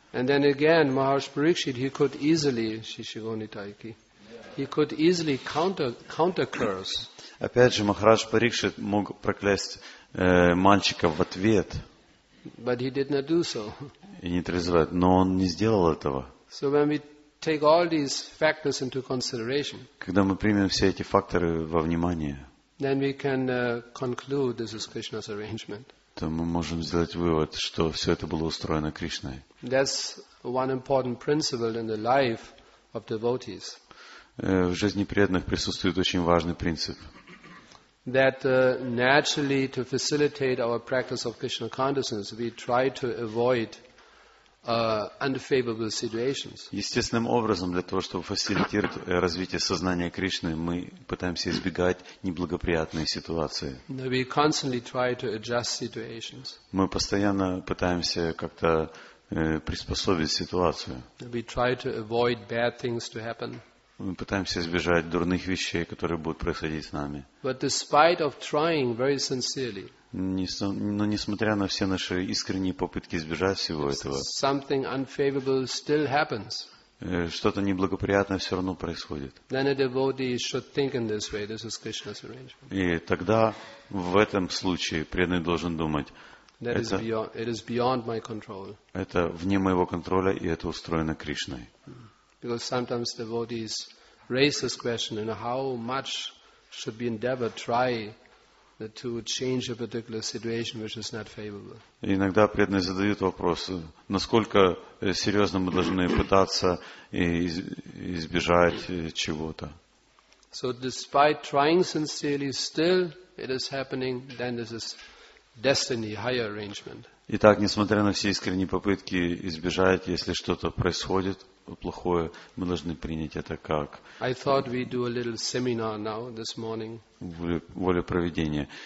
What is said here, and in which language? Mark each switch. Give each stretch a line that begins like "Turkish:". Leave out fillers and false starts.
English: And then again, Maharaj Parikshit, he could easily counter curse.
Russian: Опять же, Махарадж Парикшит мог проклясть мальчика в ответ.
English: But he did not do so.
Russian: И не призывает, но он не сделал этого.
English: So when we take all these factors into consideration,
Russian: когда мы примем все эти факторы во внимание,
English: then we can conclude this is Krishna's arrangement.
Russian: То мы можем сделать вывод, что все это было устроено Кришной.
English: That's one important principle in the life of devotees.
Russian: В жизни преданных присутствует очень важный принцип.
English: That naturally, to facilitate our practice of Krishna consciousness, we try to avoid unfavorable situations.
Russian: Естественным образом, для того, чтобы фасилитировать развитие сознания Кришны, мы пытаемся избегать неблагоприятные ситуации.
English: We constantly try to adjust situations.
Russian: Мы постоянно пытаемся как-то приспособить ситуацию.
English: We try to avoid bad things to happen.
Russian: Мы пытаемся избежать дурных вещей, которые будут происходить с нами.
English: But despite of trying very sincerely,
Russian: но несмотря на все наши искренние попытки избежать всего этого,
English: something unfavorable still happens,
Russian: что-то неблагоприятное все равно происходит.
English: Then a devotee should think in this way. This is Krishna's arrangement.
Russian: И тогда в этом случае преданный должен думать, это вне моего контроля, и это устроено Кришной.
English: Because sometimes devotees raise this question, you know, how much should be endeavored, try to change a particular situation which is not favorable.
Russian: Иногда преданные задают вопрос, насколько серьезно мы должны пытаться избежать чего-то.
English: So despite trying sincerely, still it is happening, then this is destiny, higher arrangement.
Russian: Итак, несмотря на все искренние попытки избежать, если что-то происходит плохое, мы должны принять это как воля проведения.